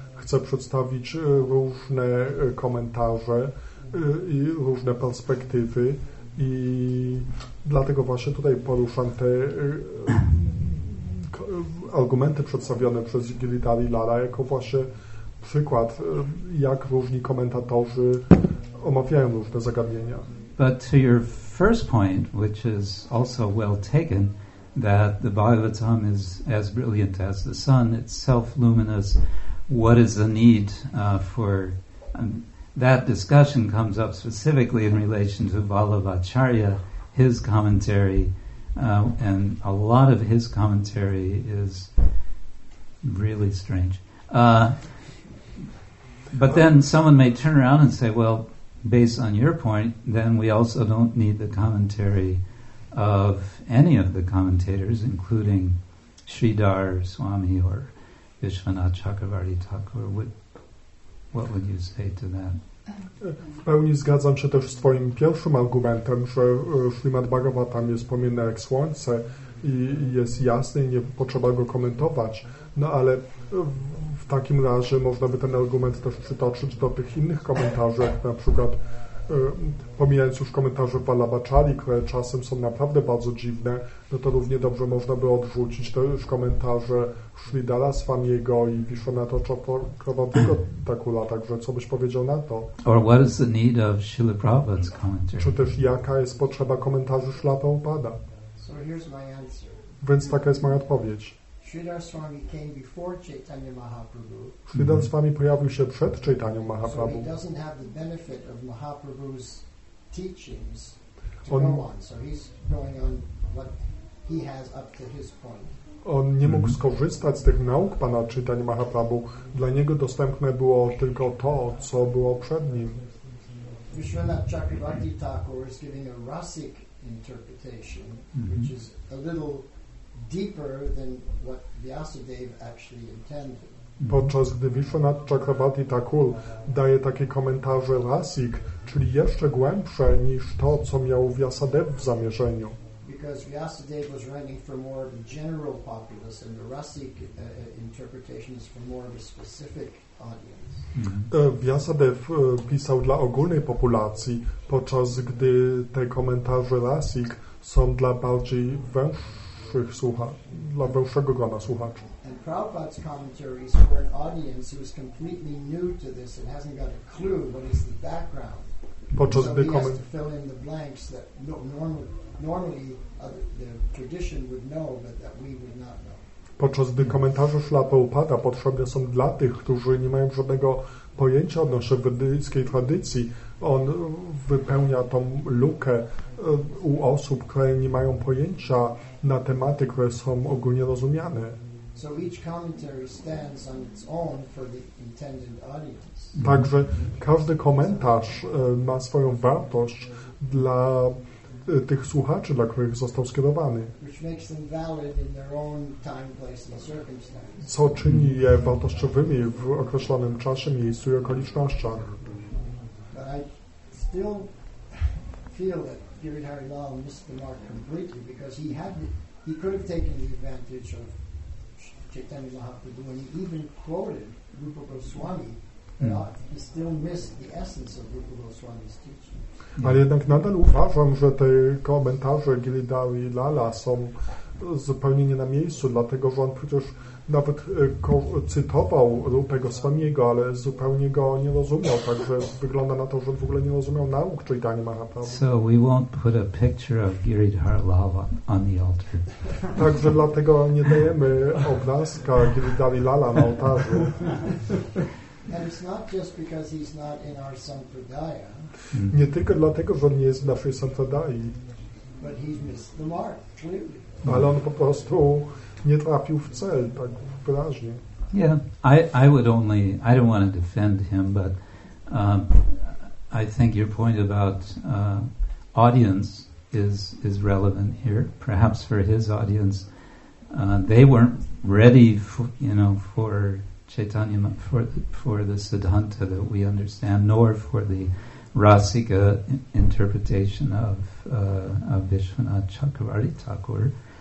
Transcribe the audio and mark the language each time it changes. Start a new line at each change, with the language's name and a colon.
Polish: Chcę przedstawić różne komentarze i różne perspektywy i dlatego właśnie tutaj poruszam te argumenty przedstawione przez Giridhari Lala jako właśnie przykład, jak różni komentatorzy omawiają różne zagadnienia.
English: But to your first point, which is also well taken, that the Bhagavatam is as brilliant as the sun, it's self-luminous, what is the need for... that discussion comes up specifically in relation to Vallabhacharya, his commentary, and a lot of his commentary is really strange. But then someone may turn around and say, well, based on your point, then we also don't need the commentary of any of the commentators, including Sridhar Swami or Vishwanath Chakravarti Thakur. What would you say to that?
Polish: W pełni zgadzam się też z twoim pierwszym argumentem, że Srimad Bhagavatam jest płomienny jak słońce i jest jasny i nie potrzeba go komentować. No ale w takim razie można by ten argument też przytoczyć do tych innych komentarzy, jak na przykład pomijając już komentarze Vallabhacharya, które czasem są naprawdę bardzo dziwne, no to równie dobrze można by odrzucić też komentarze Sridhara Swamiego i Vishwanatha Chakravartiego Thakura. Także co byś powiedział na to?
English: Or what is the need of Śrīla Prabhupāda's commentary?
Polish: Czy też jaka jest potrzeba komentarzy Śrīla Prabhupāda?
English: So here's my answer.
Polish: Więc taka jest moja odpowiedź. Śrīla Swami pojawił się przed Chaitanya Mahaprabhu.
English: So he doesn't have the benefit of Mahaprabhu's teachings to go on. So he's going on what he has up to his point.
Polish: On nie mógł skorzystać z tych nauk pana Chaitanya Mahaprabhu. Dla niego dostępne było tylko to, co było przed nim.
English: Vishwanatha Chakravarti Thakur is giving a rasic interpretation, which is a little deeper than what Vyasadeva actually intended.
Polish: Podczas gdy Vishwanatha Chakravarti Thakur daje takie komentarze rasik, czyli jeszcze głębsze niż to, co miał Vyasadev w zamierzeniu.
English: Because Vyasadeva was writing for more of the general populace and the rasic interpretation is for more of a specific audience.
Polish: Vyasadev pisał dla ogólnej populacji, podczas gdy te komentarze rasik są dla bardziej węższych dla węższego grona słuchaczy.
English: And Prabhupada's commentary is for an audience who is completely new to this and hasn't got a clue what is the background.
Polish: Podczas gdy
English: has to fill in the blanks that normally the tradition would know, but that we would not know.
Polish: Podczas gdy komentarze Śrīla Prabhupāda potrzebne są dla tych, którzy nie mają żadnego pojęcia odnośnie wedyjskiej tradycji, on wypełnia tą lukę u osób, które nie mają pojęcia na tematy, które są ogólnie rozumiane.
English: So each commentary stands on its own for the intended audience.
Polish: Także każdy komentarz ma swoją wartość dla tych słuchaczy, dla których został skierowany.
English: Which makes them valid in their own time, place and circumstance.
Polish: Co czyni je wartościowymi w określonym czasie, miejscu i okolicznościach.
English: But I still feel that Giridhari Lal missed the mark completely because he could have taken the advantage of Chaitanya Mahaprabhu and he even quoted Rupa Goswami. He still missed the essence of Rupa Goswami's teaching.
Polish: Ale jednak nadal uważam, że te komentarze Giridhari Lala są zupełnie nie na miejscu, dlatego że on przecież nawet cytował Rupę Goswamiego, ale zupełnie go nie rozumiał, także wygląda na to, że w ogóle nie rozumiał nauk Chaitanya Mahaprabhu.
English: So we won't put a picture of Giridhari Lala on the altar.
Polish: Także dlatego nie dajemy obrazka Giridhari Lala na ołtarzu.
English: And it's not just because he's not in our sampradaya.
Polish: Nie tylko dlatego, że on nie jest w naszej sampradai.
English: But he's missed the mark, clearly.
Polish: Ale on po prostu nie trafił w cel, tak wyraźnie.
English: Yeah, I don't want to defend him, but I think your point about audience is relevant here. Perhaps for his audience, they weren't ready, for Chaitanya, for the Siddhanta that we understand, nor for the Rasika interpretation of Vishwanath Chakravarti Thakur.